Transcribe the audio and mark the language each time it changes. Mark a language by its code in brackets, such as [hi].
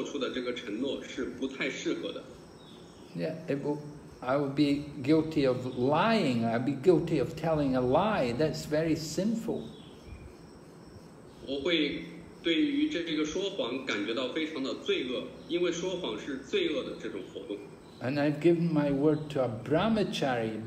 [zh] 他说,我这个时候如果收回我的承诺,对于一个婆罗门做出的这个承诺是不太适合的。 [en] Yeah, I would be guilty of lying, I'd be guilty of telling a lie, that's very sinful. [zh] 我会对于这个说谎感觉到非常的罪恶,因为说谎是罪恶的这种活动。 [en] And I've given my word to a brahmachari.